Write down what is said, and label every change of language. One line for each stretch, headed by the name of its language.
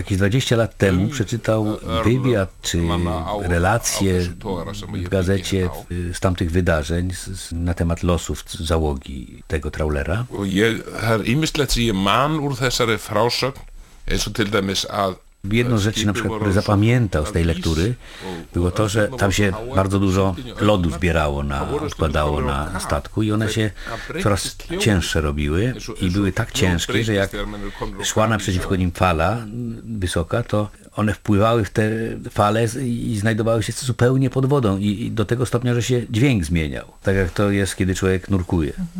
Polish: Jakieś 20 lat temu przeczytał wywiad czy relacje w gazecie z tamtych wydarzeń na temat losów załogi tego trawlera.
Icelandic: Ég har ýmislegt sem ég man úr þessari frásögn, eins og til dæmis að
Polish: Jedną rzecz, na przykład, które zapamiętał z tej lektury, było to, że tam się bardzo dużo lodu zbierało, składało na statku i one się coraz cięższe robiły i były tak ciężkie, że jak szła naprzeciwko nim fala wysoka, to one wpływały w te fale i znajdowały się zupełnie pod wodą i do tego stopnia, że się dźwięk zmieniał, tak jak to jest, kiedy człowiek nurkuje.